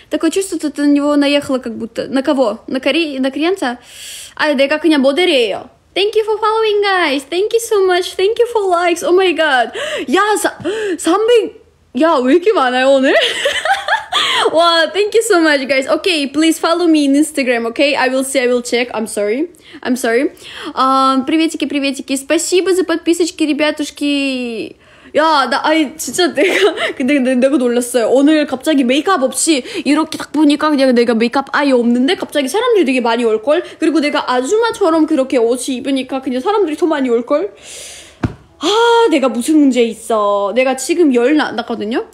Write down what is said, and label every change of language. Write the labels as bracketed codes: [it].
[ru] Такое чувство, что ты на него наехала как будто. На кого? На кореянца? [ko] А, 내가 그냥 모델이에요. [en] Thank you for following, guys. Thank you so much. Thank you for likes. Oh my god. 야, 300. [ko] 야, 왜 이렇게 많아요, 오늘? [en] 와, wow, thank you so much, guys. Okay, please follow me in Instagram, okay? I will see, I will check. I'm sorry. I'm sorry. [ru] Приветики, приветики. Спасибо за подписочки, ребятушки. [ko] 야, 아니, 진짜 내가 놀랐어요. 오늘 갑자기 메이크업 없이 이렇게 딱 보니까 그냥 내가 메이크업 아예 없는데 갑자기 사람들이 되게 많이 올걸? 그리고 내가 아줌마처럼 그렇게 옷을 입으니까 그냥 사람들이 더 많이 올걸? 아, 내가 무슨 문제 있어. 내가 지금 열 났거든요?